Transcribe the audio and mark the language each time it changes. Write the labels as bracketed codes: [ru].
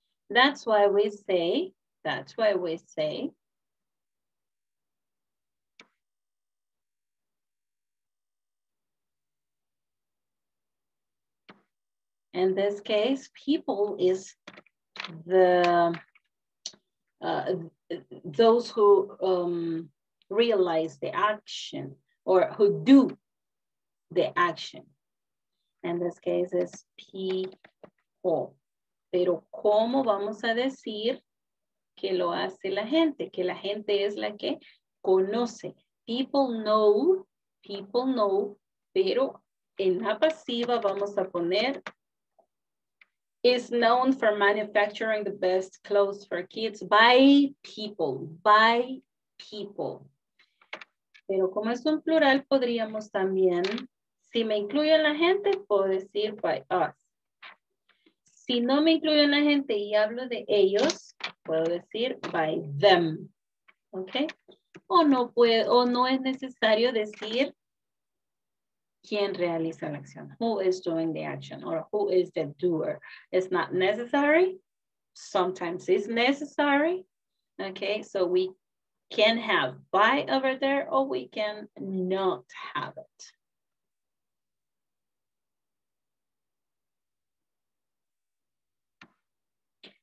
[en] That's why we say in this case, people is the those who realize the action or who do the action. In this case, it's people. [es] Pero ¿cómo vamos a decir que lo hace la gente? Que la gente es la que conoce. [en] People know, [es] pero en la pasiva vamos a poner [en] is known for manufacturing the best clothes for kids by people. [es] Pero como es un plural, podríamos también, si me incluyo en la gente, puedo decir [en] by us. [es] Si no me incluyo en la gente y hablo de ellos, puedo decir [en] by them. [es] Okay. O no es necesario decir quién realiza la acción. [en] Who is doing the action or who is the doer? It's not necessary. Sometimes it's necessary. Okay, so we can have by over there or we can not have it.